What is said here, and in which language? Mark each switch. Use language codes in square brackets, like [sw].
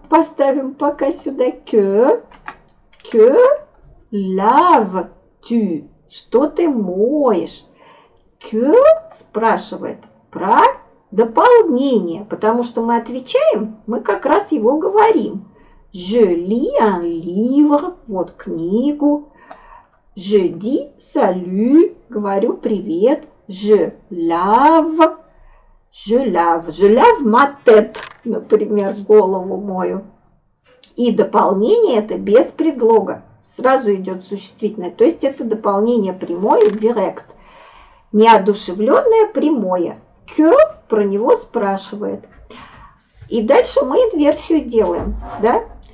[ru] Поставим пока сюда кё. Кё лав-тю. Что ты моешь? Кё спрашивает про дополнение, потому что мы отвечаем, мы как раз его говорим. [fr] Je lis un livre, [ru] вот книгу. [fr] Je dis salut, [ru] говорю привет. [fr] Je lave ma tête, [ru] например, голову мою. И дополнение это без предлога, сразу идет существительное. То есть это дополнение прямое, директ. Неодушевленное прямое. Que про него спрашивает. И дальше мы инверсию делаем, да?